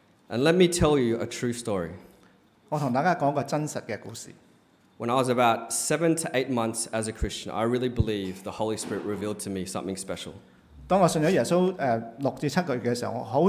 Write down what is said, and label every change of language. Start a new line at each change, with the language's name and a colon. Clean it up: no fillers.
English: and let me tell you a true story.
Chinese: 我跟大家說一個真實的故事。
English: When I was about 7 to 8 months as a Christian, I really believe the Holy Spirit revealed to me something special.
Chinese: 當我信了耶穌, 6至7個月的時候,